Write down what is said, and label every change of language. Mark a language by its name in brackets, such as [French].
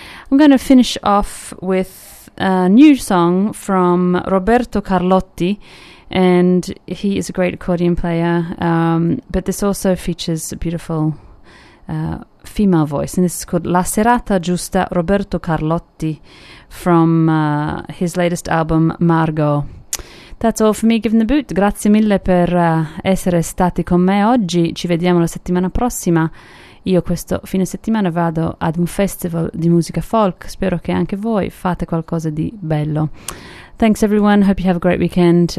[English] I'm going to finish off with a new song from Roberto Carlotti, and he is a great accordion player, but this also features a beautiful female voice, and this is called La Serata Giusta, Roberto Carlotti, from his latest album, Margot. That's all for me, Give 'Em the Boot. [Italian] Grazie mille per essere stati con me oggi. Ci vediamo la settimana prossima. Io questo fine settimana vado ad un festival di musica folk. Spero che anche voi fate qualcosa di bello. [English] Thanks everyone, hope you have a great weekend.